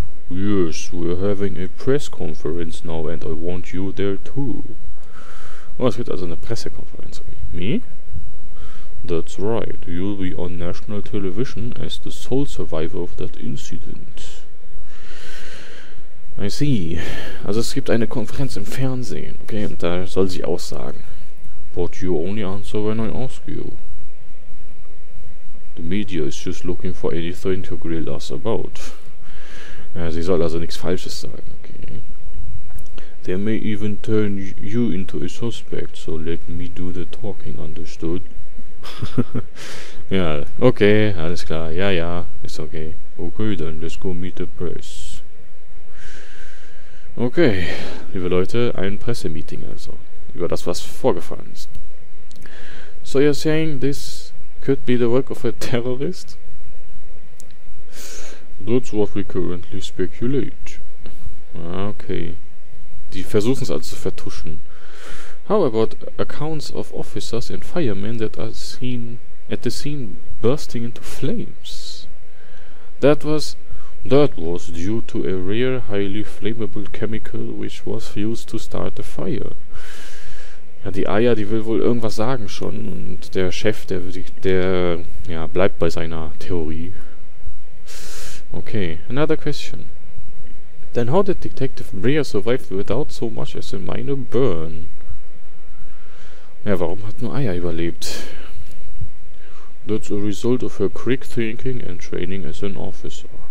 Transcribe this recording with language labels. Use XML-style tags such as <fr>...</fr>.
<en>Yes, we're having a press conference now and I want you there too.</en> <de>Oh, es gibt also eine Pressekonferenz.</de> <en>Me? That's right. You'll be on national television as the sole survivor of that incident. I see.</en> <de>Also es gibt eine Konferenz im Fernsehen, okay? Und da soll sie aussagen.</de> <en>But you only answer when I ask you. The media is just looking for anything to grill us about.</en> <de>Ja, sie soll also nichts Falsches sagen, okay?</de> <en>They may even turn you into a suspect, so let me do the talking, understood?</en> <de>Ja, okay, alles klar, ja, ja, ist okay.</de> <en>Okay, then let's go meet the press.</en> <de>Okay, liebe Leute, ein Pressemeeting also, über das, was vorgefallen ist.</de> <en>So you're saying this could be the work of a terrorist? That's what we currently speculate. Okay.</en> <de>Die versuchen es also zu vertuschen.</de> <en>How about accounts of officers and firemen that are seen at the scene bursting into flames? That was due to a rare, highly flammable chemical which was used to start the fire.</en> <de>Ja, die Aya, die will wohl irgendwas sagen schon und der Chef, der bleibt bei seiner Theorie.</de> <en>Okay, another question. Then how did Detective Breyer survive without so much as a minor burn?</en> <de>Ja, warum hat nur Aya überlebt?</de> <en>That's a result of her quick thinking and training as an officer.</en>